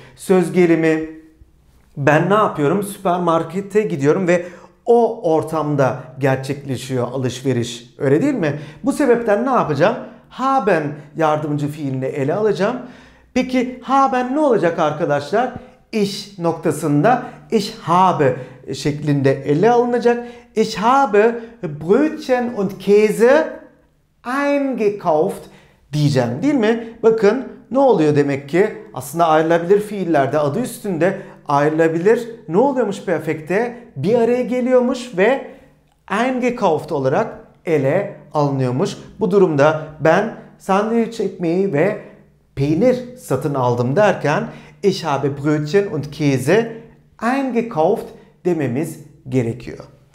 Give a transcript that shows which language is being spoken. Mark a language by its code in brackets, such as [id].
[tr] Söz gelimi ben ne yapıyorum? Süpermarkete gidiyorum ve o ortamda gerçekleşiyor alışveriş. Öyle değil mi? Bu sebepten ne yapacağım? Haben yardımcı fiilini ele alacağım. Peki haben ne olacak arkadaşlar? İş noktasında ich habe şeklinde ele alınacak. [de] Ich habe Brötchen und Käse eingekauft [tr] diyeceğim, değil mi? Bakın ne oluyor demek ki? Aslında ayrılabilir fiillerde adı üstünde ayrılabilir ne oluyormuş bir afekte? Bir araya geliyormuş ve eingekauft olarak ele alınıyormuş. Bu durumda ben sandviç ekmeği ve peynir satın aldım derken [de] ich habe Brötchen und Käse eingekauft [tr] dememiz gerekiyor.